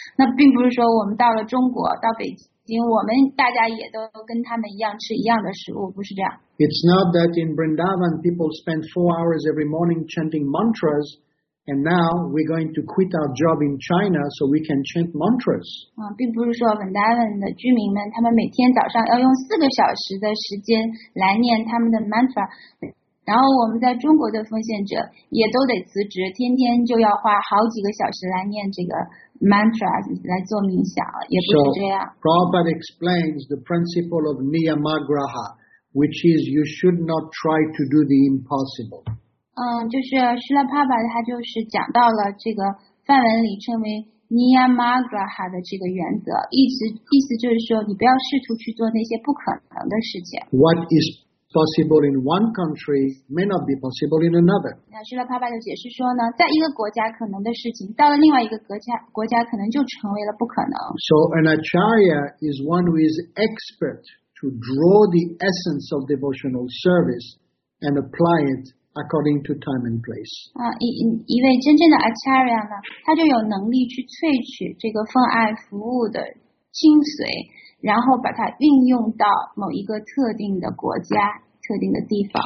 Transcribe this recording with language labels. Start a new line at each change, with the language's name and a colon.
Chinese: 那并不是说我们到了中国，到北京，我们大家也都跟他们一样吃一样的食物，不是这样。
English: It's not that in Vrindavan people spend 4 hours every morning chanting mantras, and now we're going to quit our job in China so we can chant mantras.
Chinese: 并不是说 Vrindavan 的居民们他们每天早上要用4个小时的时间来念他们的 mantra， 然后我们在中国的奉献者也都得辞职，天天就要花好几个小时来念这个 mantra 来做冥想，也不是这样。
English: So, Prabhupada explains the principle of Niyamagraha, which is you should not try to do the impossible.
Chinese: 就是释迦帕巴他就是讲到了这个梵文里称为 Niyamagraha 的这个原则，意思就是说你不要试图去做那些不可能的事情。
English: What is possible in one country may not be possible in another.
Chinese: 那释迦帕巴就解释说呢，在一个国家可能的事情，到了另外一个国家可能就成为了不可能。
English: So an Acharya is one who is expert to draw the essence of devotional service and apply it. According to time and place.
Chinese: 一位真正的 Acharya 呢，他就有能力去萃取这个奉爱服务的精髓，然后把它运用到某一个特定的国家、特定的地方。